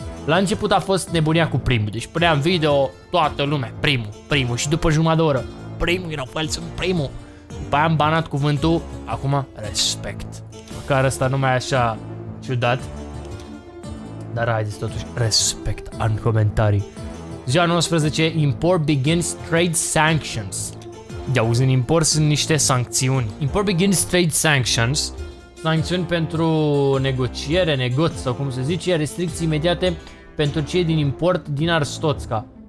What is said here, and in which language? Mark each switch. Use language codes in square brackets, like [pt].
[ro] La început a fost nebunia cu primul. Deci puneam video, toată lumea, primul. Și după jumătate de oră, primul, era fel, sunt primul. După aia am banat cuvântul, acum respect. Măcar ăsta nu mai e așa ciudat. Dar haideți totuși, respect în comentarii. Ziua 19, [en] import begins trade sanctions. [ro] De auzi, în import sunt niște sancțiuni. [en] Import begins trade sanctions. [ro] Sancțiuni pentru negociere, negoț sau cum se zice, restricții imediate pentru cei din import din Arstotzka.